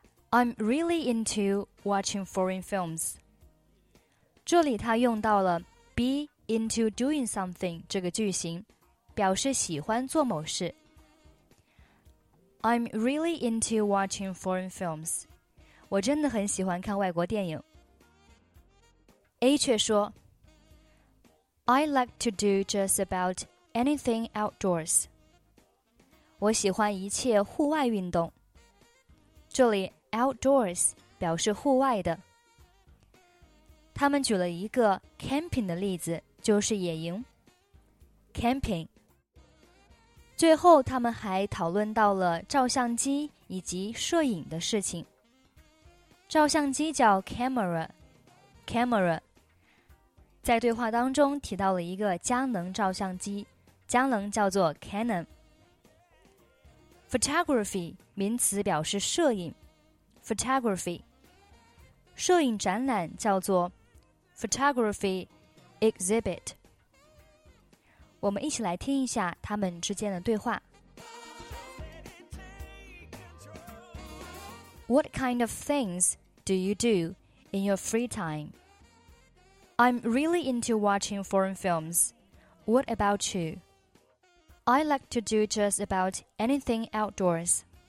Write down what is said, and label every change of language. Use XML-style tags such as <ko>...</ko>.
<en>I'm really into watching foreign films.</en> <zh>这里他用到了</zh> <en>be into doing something</en> <zh>这个句型，表示喜欢做某事。</zh> <en>I'm really into watching foreign films.</en> <zh>我真的很喜欢看外国电影。</zh> <en>A</en> <zh>却说</zh> <en>I like to do just about anything outdoors.</en> <zh>我喜欢一切户外运动。这里 outdoors 表示户外的。他们举了一个 camping 的例子，就是野营。Camping. 最后他们还讨论到了照相机以及摄影的事情。照相机叫 camera, 在对话当中提到了一个佳能照相机，佳能叫做 Canon。 Photography 名词表示摄影， Photography 摄影展览叫做 Photography Exhibit。我们一起来听一下他们之间的对话。</zh> <en>What kind of things do you do in your free time? I'm really into watching foreign films. What about you? I like to do just about anything outdoors.</en>